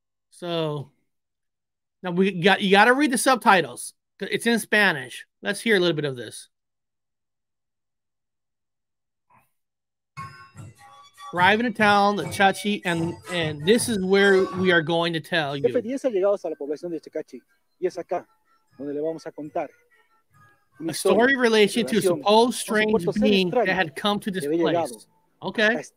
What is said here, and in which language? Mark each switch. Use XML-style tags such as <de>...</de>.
<en>So, now you got to read the subtitles, because it's in Spanish. Let's hear a little bit of this. driving to town, the Tecachi, and this is where we are going to tell you.</en> <es>F10 ha llegado a la población de Tecachi, y es acá donde le vamos a contar.</es> <en>A story relating to a supposed strange being that had come to this place. Okay.</en>